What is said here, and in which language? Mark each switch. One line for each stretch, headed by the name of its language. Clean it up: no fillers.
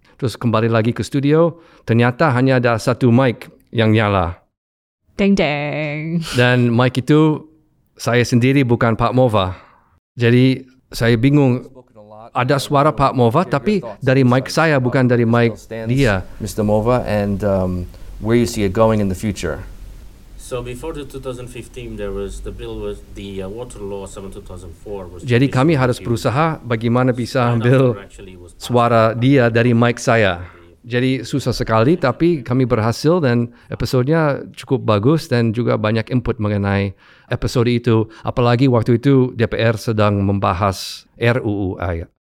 Indonesian: Terus kembali lagi ke studio, ternyata hanya ada satu mic yang nyala. Deng-deng. Dan mic itu saya sendiri, bukan Pak Mova. Jadi saya bingung, ada suara Pak Mova tapi dari mic saya, bukan dari mic dia.
English: Mr. Mova, and where you see it going in the future? So before the 2015, there was the bill was the water law 7/2004 was.
Indonesian: Jadi kami harus berusaha bagaimana bisa ambil suara dia dari mic saya. Jadi susah sekali, tapi kami berhasil dan episodenya cukup bagus dan juga banyak input mengenai episode itu. Apalagi waktu itu DPR sedang membahas RUU AI.